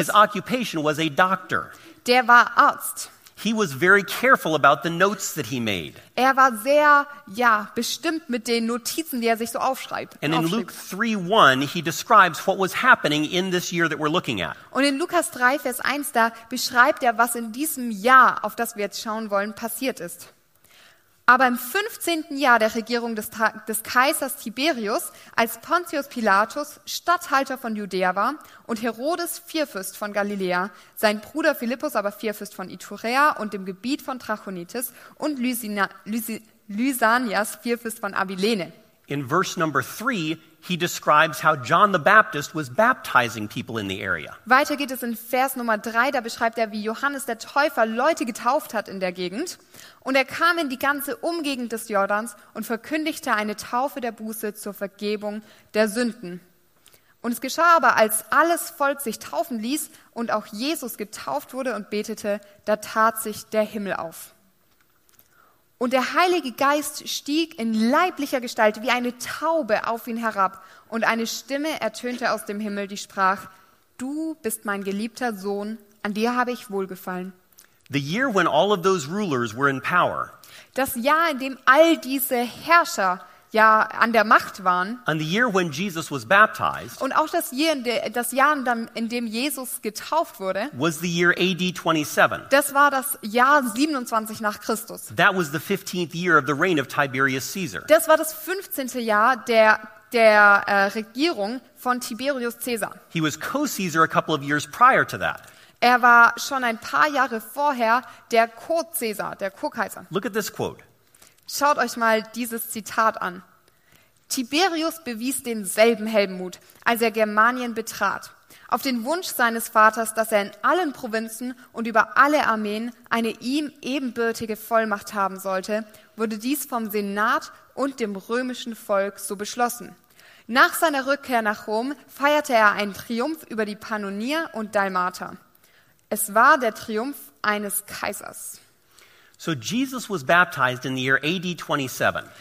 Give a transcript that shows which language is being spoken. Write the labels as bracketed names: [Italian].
[English] His occupation was a doctor. [German] Der war Arzt. [English] He was very careful about the notes that he made. [German] Er war sehr, ja, bestimmt mit den Notizen, die er sich so aufschreibt. [English] And in Luke 3:1, he describes what was happening in this year that we're looking at. [German] Und in Lukas 3, Vers 1, da beschreibt er, was in diesem Jahr, auf das wir jetzt schauen wollen, passiert ist. Aber im 15. Jahr der Regierung des Kaisers Tiberius, als Pontius Pilatus Statthalter von Judäa war und Herodes Vierfürst von Galiläa, sein Bruder Philippus aber Vierfürst von Iturea und dem Gebiet von Trachonitis und Lysanias Vierfürst von Abilene. [English] In verse number 3, he describes how John the Baptist was baptizing people in the area. [German] Weiter geht es in Vers Nummer 3, da beschreibt er, wie Johannes der Täufer Leute getauft hat in der Gegend. Und er kam in die ganze Umgegend des Jordans und verkündigte eine Taufe der Buße zur Vergebung der Sünden. Und es geschah aber, als alles Volk sich taufen ließ und auch Jesus getauft wurde und betete, da tat sich der Himmel auf. Und der Heilige Geist stieg in leiblicher Gestalt wie eine Taube auf ihn herab. Und eine Stimme ertönte aus dem Himmel, die sprach, du bist mein geliebter Sohn, an dir habe ich wohlgefallen. [English] The year when all of those rulers were in power. [German] Das Jahr, in dem all diese Herrscher ja an der Macht waren. [English] And the year when Jesus was baptized. [German] Und auch das Jahr, in dem Jesus getauft wurde. [English] Was the year AD 27. [German] Das war das Jahr 27 nach Christus. [English] That was the 15th year of the reign of Tiberius Caesar. [German] Das war das 15. Jahr der Regierung von Tiberius Caesar. [English] He was co-Caesar a couple of years prior to that. [German] Er war schon ein paar Jahre vorher der Co-Caesar, der Co-Kaiser. [English] Look at this quote. [German] Schaut euch mal dieses Zitat an. Tiberius bewies denselben Heldenmut, als er Germanien betrat, auf den Wunsch seines Vaters, dass er in allen Provinzen und über alle Armeen eine ihm ebenbürtige Vollmacht haben sollte, wurde dies vom Senat und dem römischen Volk so beschlossen. Nach seiner Rückkehr nach Rom feierte er einen Triumph über die Pannonier und Dalmater. Es war der Triumph eines Kaisers. [English] So Jesus was baptized in the year AD 27.